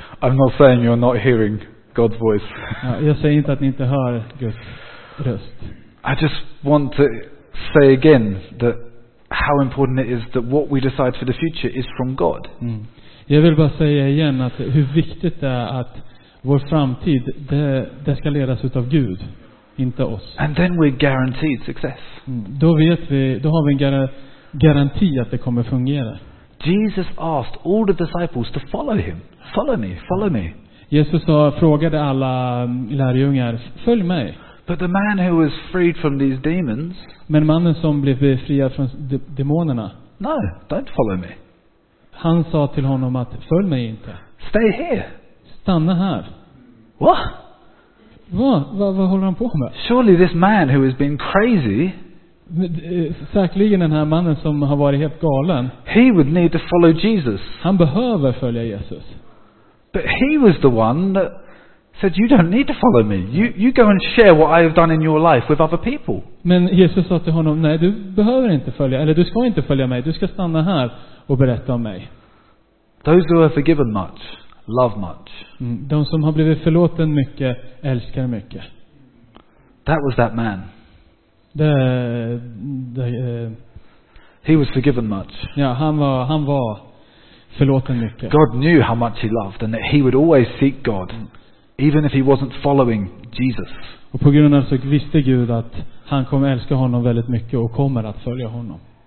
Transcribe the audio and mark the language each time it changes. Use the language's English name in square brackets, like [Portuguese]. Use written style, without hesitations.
[English] I'm not saying you're not hearing God's voice. [Swedish] Ja, jag säger inte att ni inte hör Guds röst. [English] I just want to say again that how important it is that what we decide for the future is from God. [Swedish] Jag vill bara säga igen att hur viktigt det är att vår framtid, det ska ledas utav Gud, inte oss. [English] And then we're guaranteed success. [Swedish] Då vet vi, då har vi en garanti att det kommer fungera. [English] Jesus asked all the disciples to follow him. Follow me. [Swedish] Jesus frågade alla lärjungar, följ mig. [English] But the man who was freed from these demons, [Swedish] men mannen som blev befriad från demonerna, [English] no, don't follow me. [Swedish] Han sa till honom att följ mig inte. [English] Stay here. [Swedish] Stanna här. [English] What? [Swedish] Vad håller han på med? [English] Surely this man who has been crazy, [Swedish] säkerligen den här mannen som har varit helt galen, [English] he would need to follow Jesus. [Swedish] Han behöver följa Jesus. [English] But he was the one that said, you don't need to follow me. You go and share what I have done in your life with other people. [Swedish] Men Jesus sa till honom, nej, du behöver inte följa, eller du ska inte följa mig. Du ska stanna här och berätta om mig. [English] Those who are forgiven much, love much. [Swedish] De som har blivit förlåten mycket älskar mycket. [English] That was that man. He was forgiven much. [Swedish] Yeah, han var förlåten mycket. [English] God knew how much he loved and that he would always seek God even if he wasn't following Jesus. [Swedish] Och på grund av så visste Gud att han kommer älska honom väldigt mycket och kommer att följa honom.